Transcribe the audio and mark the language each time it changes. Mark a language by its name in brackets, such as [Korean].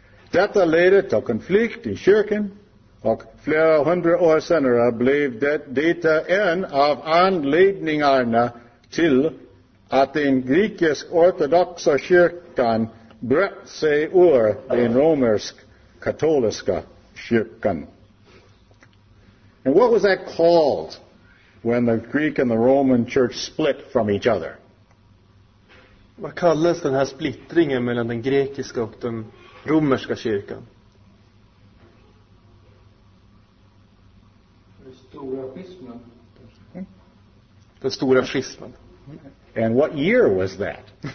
[Swedish] Detta ledde till konflikt i kyrkan och flera hundra år senare blev detta en av anledningarna till att den grekisk ortodoxa kyrkan bröt sig ur den romersk katoliska kyrkan. [English] And what was that called? When the Greek and the Roman church split from each other. [Swedish] Vad kallas den här splittringen mellan den grekiska och den romerska kyrkan? Den stora schismen. Den stora schismen. [English] And what year was that?